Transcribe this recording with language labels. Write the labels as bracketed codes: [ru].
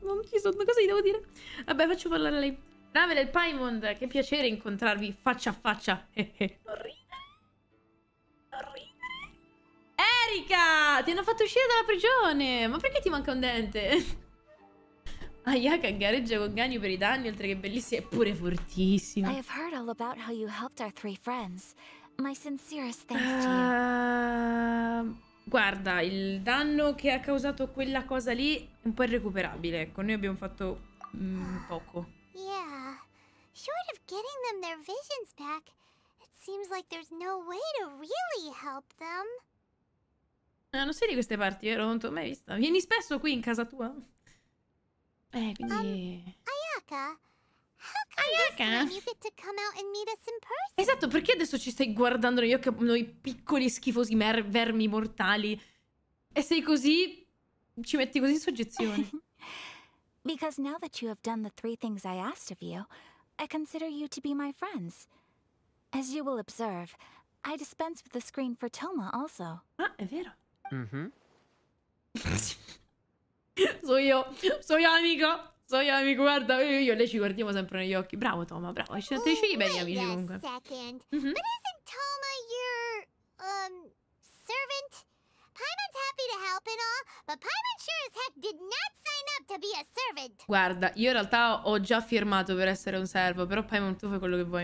[it] Non ci so, cosa gli devo dire? Vabbè, faccio parlare lei. Rave del Paimond, che piacere incontrarvi faccia a faccia. Erika, ti hanno fatto uscire dalla prigione. Ma perché ti manca un dente? Ayaka gareggia con Ganyu per i danni, oltre che bellissima e pure fortissima. [en] I have heard all about how you helped our three friends. My sincerest thanks to you. [it] Guarda, il danno che ha causato quella cosa lì è un po' irrecuperabile. Con noi abbiamo fatto poco. [en] Yeah. Short of getting them their visions back, it seems like there's no way to really help them. [it] Non sei di queste parti, vero? Non ti ho mai vista. Vieni spesso qui in casa tua. Quindi. [en] Ayaka, how come Ayaka? This time you get to come out and meet us in person? [it] Esatto, perché adesso ci stai guardando negli occhi, noi piccoli schifosi vermi mortali? E sei così. Ci metti così in soggezione. [en] Because now that you have done the three things I asked of you, I consider you to be my friends. As you will observe, I dispense with the screen for Toma also. [it] Ah, è vero. Mm-hmm. so io amico, guarda, io e lei ci guardiamo sempre negli occhi. Bravo Toma, bravo. Ci sono dei bei amici comunque. [en] But isn't Toma your servant? Paimon's happy to help and all, but Paimon sure as heck did not sign up to be a servant. [it] Guarda, io in realtà ho già firmato per essere un servo, però Paimon, tu fai quello che vuoi.